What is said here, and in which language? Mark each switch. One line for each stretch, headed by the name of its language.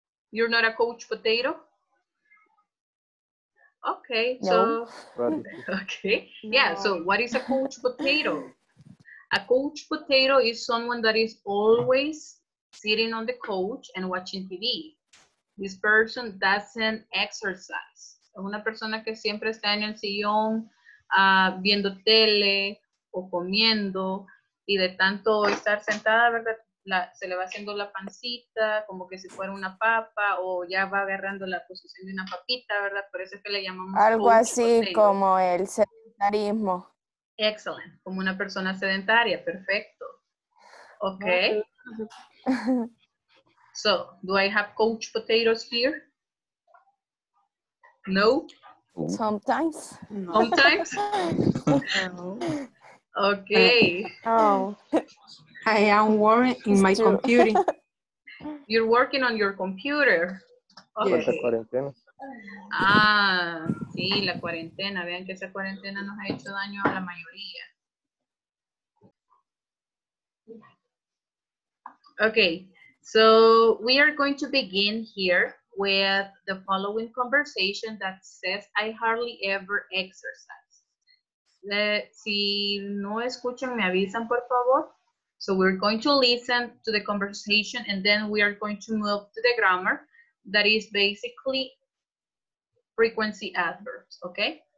English: You're not a coach potato? Okay, no. So. Okay, yeah, so what is a coach potato? A coach potato is someone that is always sitting on the couch and watching TV. This person doesn't exercise.
Spanish: Es una persona que siempre está en el sillón viendo tele o comiendo y de tanto estar sentada, ¿verdad? Se le va haciendo la pancita como que si fuera una papa o ya va agarrando la posición de una papita, ¿verdad? Por eso es que le llamamos algo así como el sedentarismo. Excellent. Como una persona sedentaria. Perfecto. Okay.
English: So, do I have couch potatoes here? No? Sometimes. Sometimes? No. Okay. Oh. I am working in my computer. You're working on your computer. Okay.
Spanish: Ah, sí, la cuarentena. Vean que esa cuarentena nos ha hecho daño a la mayoría.
English: Okay. So we are going to begin here with the following conversation that says, I hardly ever exercise.
Spanish: Si no escuchan, me avisan, por favor.
English: So we're going to listen to the conversation and then we are going to move to the grammar that is basically frequency adverbs, okay?